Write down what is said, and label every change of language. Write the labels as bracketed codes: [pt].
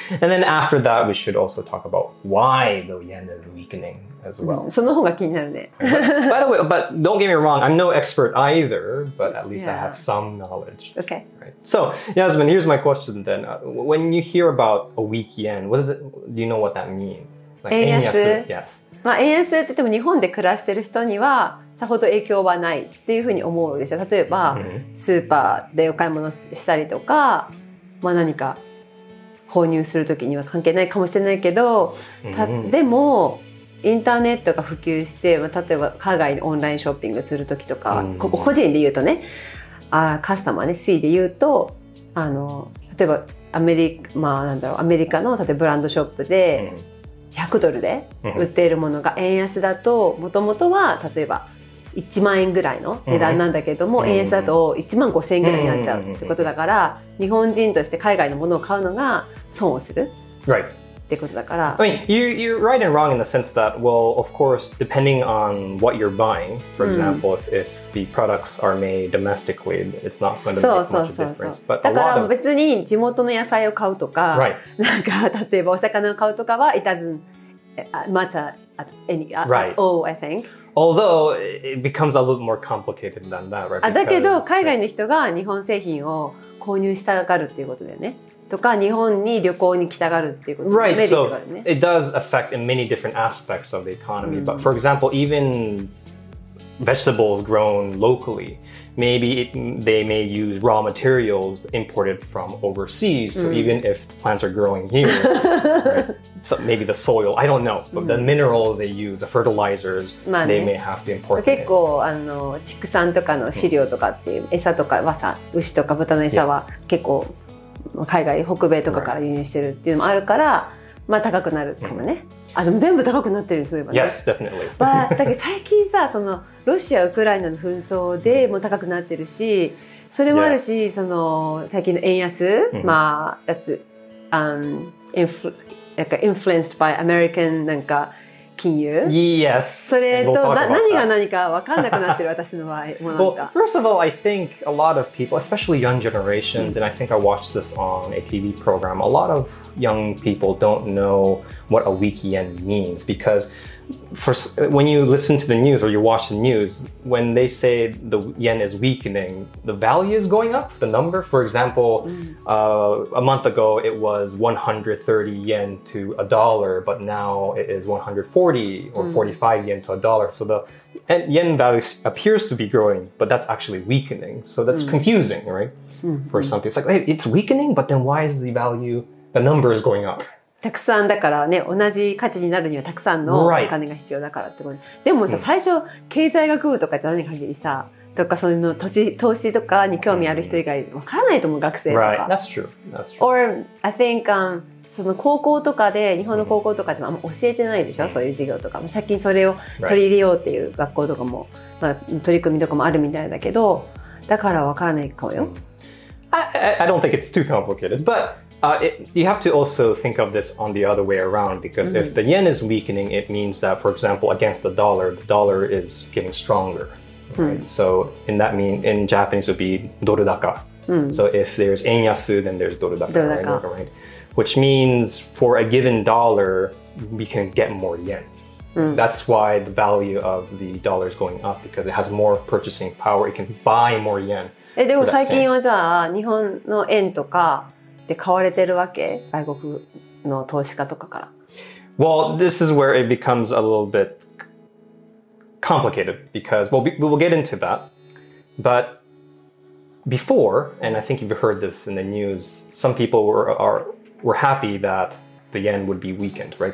[en] And then after that, we should also talk about why the yen is weakening as well. [ja] その方が気になるね。 [en] By the way, but don't get me wrong, I'm no expert either, but at least、yeah. I have some knowledge. Okay. Right. So, Yasmin, here's my question then. When you hear about a weak yen, what is it, do you know what that means? Like, 円安? [ja] 円安?Yes. まあ、円安って言っても日本で暮らしてる人にはさほど影響はないっていうふうに思うでしょ。例えばスーパーでお買い物したりとか、まあ、何か購入するときには関係ないかもしれないけど、でもインターネットが普及して、まあ、例えば海外にオンラインショッピングするときとか、ここ個人で言うとね、カスタマーね、C で言うと、例えばまあ、なんだろう、アメリカの例えばブランドショップで100ドルで売っているものが円安だと、もともとは例えば1万円ぐらいの値段なんだけども、円安だと1万5000円ぐらいになっちゃうってことだから、日本人として海外のものを買うのが損をするってことだから、 [en] I mean, you're right and wrong in the sense that, well, of course, depending on what you're buying, for example, if the products are made domestically, it's not going to make much of a difference. [ja] But だから別に地元の野菜を買うとか、 [en] right. [ja] なんか例えばお魚を買うとかは、 [en] it doesn't matter at, any, at, right. at all, [ja] I think. [en] Although, it becomes a little more complicated than that, right? [ja] Because, だけど海外の人が日本製品を購入したがるっていうことだよね。とか日本に旅行に来たがるっていうことも、 [en] right. [ja] メリットがあ [en] るね。 So, it does affect in many different aspects of the economy.、Mm. But for example, evenvegetables grown locally, maybe they may use raw materials imported from overseas. So、mm. even if plants are growing here, right, so maybe the soil, I don't know, but、mm. the minerals they use, the fertilizers,、 [ja] まあね、 [en] they may have to import them. [ja] 結構あの畜産とかの飼料とかっていう、mm. 餌とかはさ、牛とか豚の餌は、yeah. 結構海外、北米とかから輸入してるっていうのもあるから、まあ高くなるかもね。 Mm. あ、でも全部高くなってる、そういえばね。 [en] Yes, definitely. [ja] まあ、だけど最近さ、そのロシア、ウクライナの紛争でも高くなってるし、それもあるし、yes. その最近の円安、mm-hmm. まあ、that's, なんか [en] influenced by American, [ja] なんか、金融? [en] Yes. [ja] それと、何が何か分かんなくなってる私の場合もなんか。 [en] Well, first of all, I think a lot of people, especially young generations, and I think I watched this on a TV program, a lot of young people don't know what a weak yen means because when you listen to the news or you watch the news, when they say the yen is weakening, the value is going up, the number. For example, a month ago it was 130 yen to a dollar, but now it is 140 or 45 yen to a dollar. So the yen value appears to be growing, but that's actually weakening. So that's confusing, right? For some people, it's like, hey, it's weakening, but then why is the value, the number is going up? [ja] たくさんだからね、同じ価値になるにはたくさんのお金が必要だからってこと。でもさ、最初経済学部とかじゃない限りさ、とかその投資とかに興味ある人以外わからないと思う、学生とか。 [en] Right, that's true. That's true. Or I think、 [ja] その高校とかで、日本の高校とかでもあんま教えてないでしょ、そういう授業とか。最近それを取り入れようっていう学校とかも、まあ、取り組みとかもあるみたいだけど、だからわからないかもよ。 [en] I don't think it's too complicated, but... you have to also think of this on the other way around, because if the yen is weakening, it means that, for example, against the dollar is getting stronger. Right? So in that mean, in Japanese, it would be doru daka. So if there's enyasu, then there's doru daka. Doru daka. Right? Right? Which means for a given dollar, we can get more yen. That's why the value of the dollar is going up, because it has more purchasing power. It can buy more yen. [ja] でも最近はじゃあ日本の円とかで買われてるわけ、外国の投資家とかから。 [en] Well, this is where it becomes a little bit complicated because, well, we will get into that. But before, and I think you've heard this in the news, some people were happy that the yen would be weakened, right?